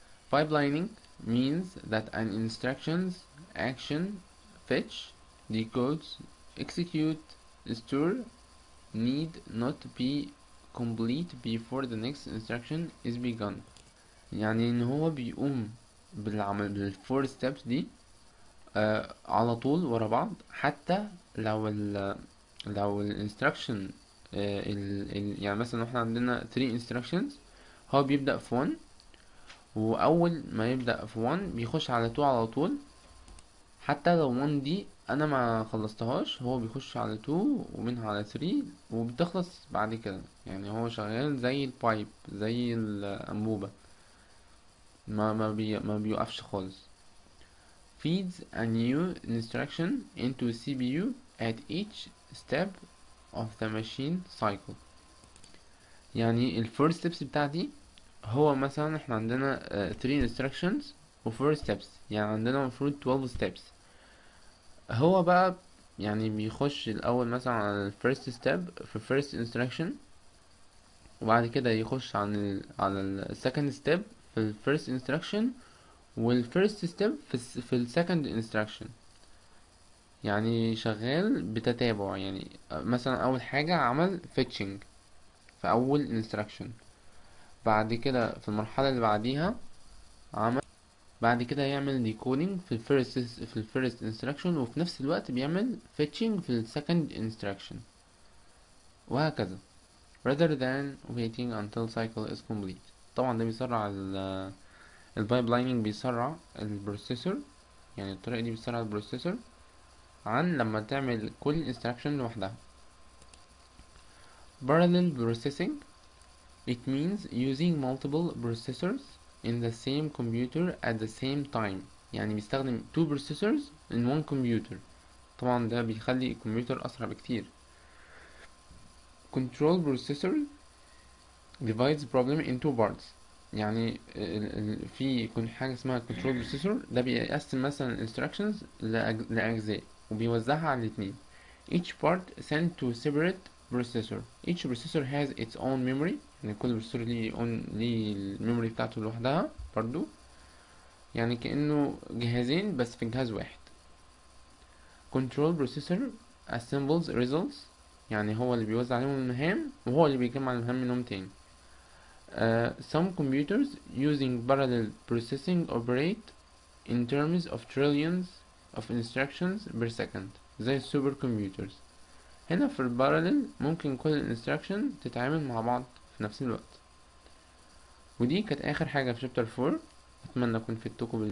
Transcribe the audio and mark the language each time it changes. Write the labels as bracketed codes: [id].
[en] Pipelining means that an instructions action fetch decode execute store need not be complete before the next instruction is begun. [ar] يعني ان هو بيقوم بالعمل بال [en] 4 steps [ar] دي على طول ورا بعض، حتى لو ال instruction يعني مثلا احنا عندنا 3 instructions، هو بيبدأ في 1 وأول ما يبدأ في 1 بيخش على 2 على طول، حتى لو 1 دي أنا ما خلصتهاش هو بيخش على 2 ومنها على 3 وبتخلص بعد كده. يعني هو شغال زي البايب زي الأنبوبة، ما بيوقفش خالص. [en] Feeds a new instruction into CPU at each step of the machine cycle. [ar] يعني ال [en] first steps [ar] بتاعتي، هو مثلا احنا عندنا 3 instructions و 4 steps، يعني عندنا المفروض 12 steps. هو بقى يعني بيخش الاول مثلا على ال [en] first step [ar] في [en] first instruction، [ar] وبعد كده يخش على ال [en] second step [ar] في ال first instruction، وال first step في ال [en] second instruction. [ar] يعني شغال بتتابع، يعني مثلا اول حاجة عمل fetching في اول instruction، بعد كده في المرحلة اللي بعديها عمل، بعد كده يعمل decoding في ال [en] first instruction، [ar] وفي نفس الوقت بيعمل fetching في ال [en] second instruction، [ar] وهكذا. [en] rather than waiting until cycle is complete. [ar] طبعا ده بيسرع ال pipelining، بيسرع ال processor. يعني الطريقة دي بتسرع ال processor عن لما تعمل كل instruction لوحدها. [en] parallel processing. It means using multiple processors in the same computer at the same time. [ar] يعني بيستخدم [en] two processors in one computer. [ar] طبعا ده بيخلي الكمبيوتر أسرع بكتير. [en] Control processor divides problem into parts. [ar] يعني في يكون حاجة اسمها control processor، ده بيقسم مثلا instructions لأجزاء وبيوزعها على الاتنين. [en] Each part sent to separate processor. Each processor has its own memory. [ar] يعني كل بروسيسور ليه الميموري بتاعته لوحدها برضو، يعني كأنه جهازين بس في جهاز واحد. [en] Control processor assembles results. [ar] يعني هو اللي بيوزع عليهم المهام وهو اللي بيجمع المهام منهم تاني. [en] Some computers using parallel processing operate in terms of trillions of instructions per second [ar] زي السوبر كمبيوترز. هنا في البارالل ممكن كل الانستراكشن تتعامل مع بعض نفس الوقت. ودي كانت آخر حاجة في شابتر 4. أتمنى أكون فدتكم بال